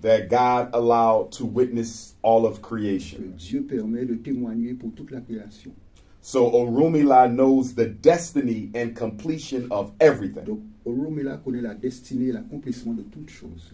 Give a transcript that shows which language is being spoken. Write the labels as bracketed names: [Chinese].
[English] that God allowed to witness all of creation. [French] Que Dieu permet de témoigner pour toute la création. [English] So Orunmila knows the destiny and completion of everything. [French] Donc, Orunmila connaît la destinée et l'accomplissement de toutes choses.